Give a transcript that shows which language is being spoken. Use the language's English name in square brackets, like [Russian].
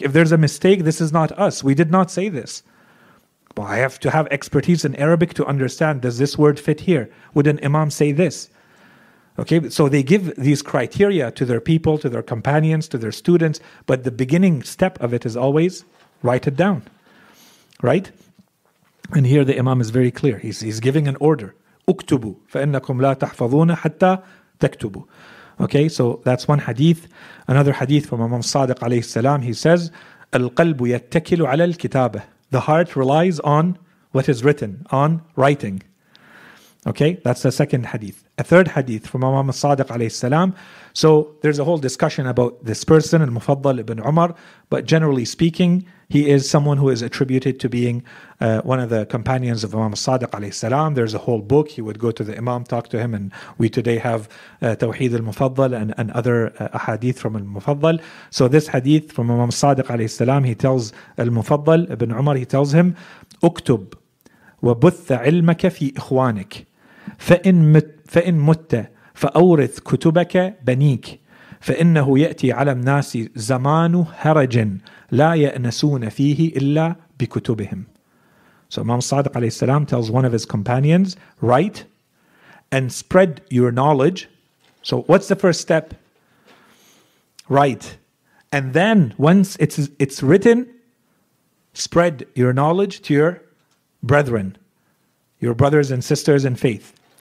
[English] If there's a mistake, this is not us. We did not say this. Well, I have to have expertise in Arabic to understand, does this word fit here? Would an imam say this? Okay, so they give these criteria to their people, to their companions, to their students, but the beginning step of it is always write it down, right? And here the imam is very clear. He's giving an order. [Arabic] اكتبوا فإنكم لا تحفظون حتى تكتبوا. [English] Okay, so that's one hadith. Another hadith from Imam Sadiq alayhi salam, he says, [Arabic] القلب يتكل على الكتابة. [English] The heart relies on what is written, on writing. Okay, that's the second hadith. A third hadith from Imam Sadiq alayhi salam. So there's a whole discussion about this person, Al-Mufaddal ibn Umar, but generally speaking, he is someone who is attributed to being one of the companions of Imam Sadiq alayhi salam. There's a whole book. He would go to the Imam, talk to him, and we today have Tawheed al-Mufaddal and other hadith from al-Mufaddal. So this hadith from Imam Sadiq alayhi salam, he tells al-Mufaddal ibn Umar, he tells him, [Arabic] اكتب وبث علمك في إخوانك فإن مت فأورث كتبك بنيك فإنه يأتي على الناس زمان هرج لا يأنسون فيه إلا بكتبهم. [English] So Imam Sadiq alayhi salam tells one of his companions, write and spread your knowledge. So what's the first step? Write. And then once it's written, spread your knowledge to your brethren, your brothers and sisters in faith.